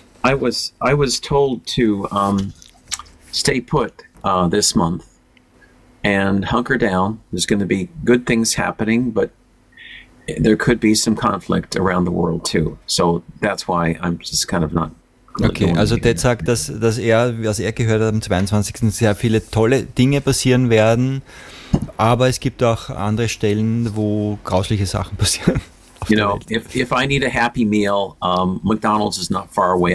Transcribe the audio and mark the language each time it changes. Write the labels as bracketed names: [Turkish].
[English] I was told to stay put this month and hunker down. There's going to be good things happening, but there could be some conflict around the world too. So that's why I'm just kind of not. [German] Okay, also Ted sagt, dass er gehört hat, am 22. sehr viele tolle Dinge passieren werden, aber es gibt auch andere Stellen, wo grausliche Sachen passieren. [English] You know, if I need a happy meal, McDonald's is not far away.